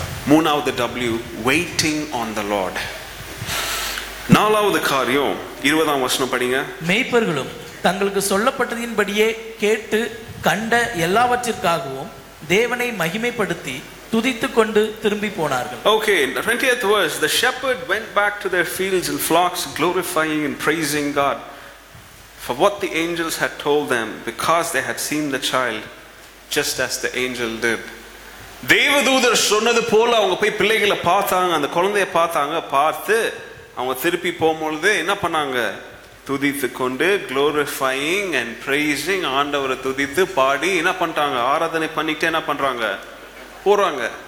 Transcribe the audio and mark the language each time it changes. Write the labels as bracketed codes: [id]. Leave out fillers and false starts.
[ta] மூணாவது W, [en] Waiting on the lord. [ta] நாலாவது காரியம் 20 வசனம் படிங்க. மேய்ப்பர்களும் தங்களுக்கு சொல்லப்பட்டதின்படியே கேட்டு கண்ட எல்லாவற்றிற்காகவும் தேவனை மகிமைப்படுத்தி துதித்துக் கொண்டு திரும்பி போனார்கள். [en] Okay, the 20th verse, the shepherd went back to their fields and flocks, glorifying and praising God for what the angels had told them, because they had seen the child just as the angel did. [ta] தேவதூதர் சொன்னது போல அவங்க போய் பிள்ளைகளை பார்த்தாங்க, அந்த குழந்தைய பார்த்தாங்க, பார்த்து அவங்க திருப்பி போகும்பொழுது என்ன பண்ணாங்க, துதித்து கொண்டு, [en] glorifying and praising, [ta] ஆண்டவரை துதித்து பாடி என்ன பண்ணிட்டாங்க, ஆராதனை பண்ணிட்டு என்ன பண்றாங்க, போறாங்க.